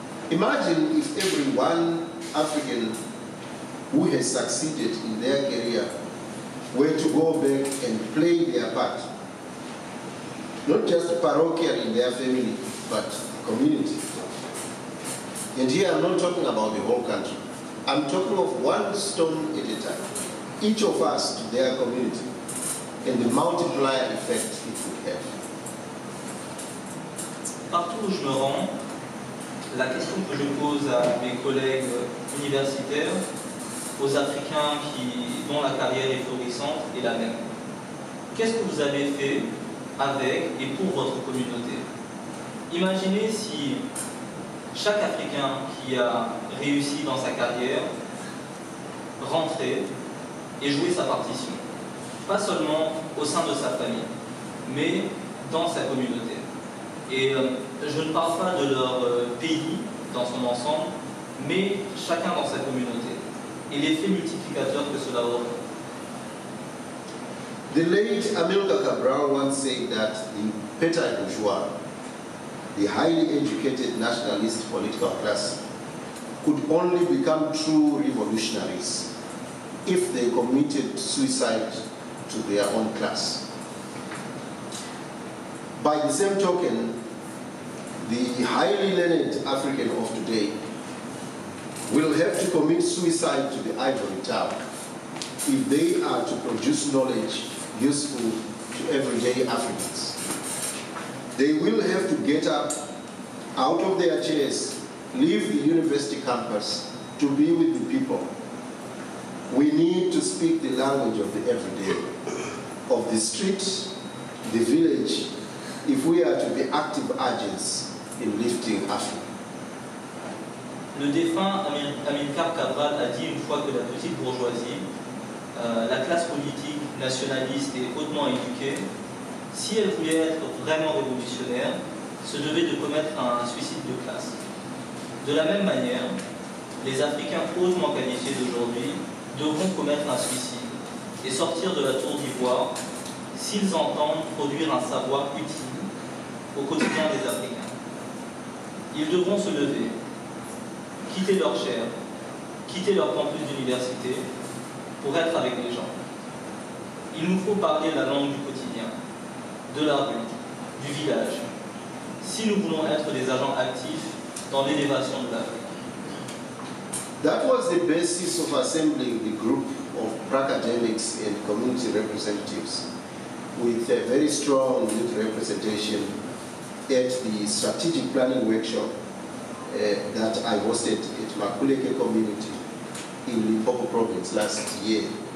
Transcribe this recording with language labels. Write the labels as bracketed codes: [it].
[en] Imagine if every one African who has succeeded in their career were to go back and play their part, not just parochial in their family, but community. And here I'm not talking about the whole country. I'm talking of one stone at a time, each of us to their community, and the multiplier effect it would have. [fr] Partout où je me rends, la question que je pose à mes collègues universitaires, aux Africains dont la carrière est florissante, est la même. Qu'est-ce que vous avez fait avec et pour votre communauté? Imaginez si chaque Africain qui a réussi dans sa carrière rentrait et jouait sa partition, pas seulement au sein de sa famille, mais dans sa communauté. Et je ne parle pas de leur pays dans son ensemble, mais chacun dans sa communauté et l'effet multiplicateur que cela aura. [en] The late Amilcar Cabral once said that the petit bourgeois, the highly educated nationalist political class, could only become true revolutionaries if they committed suicide to their own class. By the same token, the highly learned African of today will have to commit suicide to the ivory tower if they are to produce knowledge useful to everyday Africans. They will have to get up out of their chairs, leave the university campus to be with the people. We need to speak the language of the everyday, of the street, the village, if we are to be active agents in lifting Africa. [fr] Le défunt Amilcar Cabral a dit une fois que la petite bourgeoisie, la classe politique nationaliste et hautement éduquée, si elle voulait être vraiment révolutionnaire, se devait de commettre un suicide de classe. De la même manière, les Africains hautement qualifiés d'aujourd'hui devront commettre un suicide et sortir de la tour d'ivoire s'ils entendent produire un savoir utile au quotidien des Africains. Ils devront se lever, quitter leur chair, quitter leur campus d'université pour être avec les gens. Il nous faut parler la langue du quotidien, de la rue, du village, si nous voulons être des agents actifs dans l'élévation de l'Afrique. [en] That was the basis of assembling the group of pracademics and community representatives with a very strong youth representation at the strategic planning workshop that I hosted at Makuleke community in Limpopo province last year.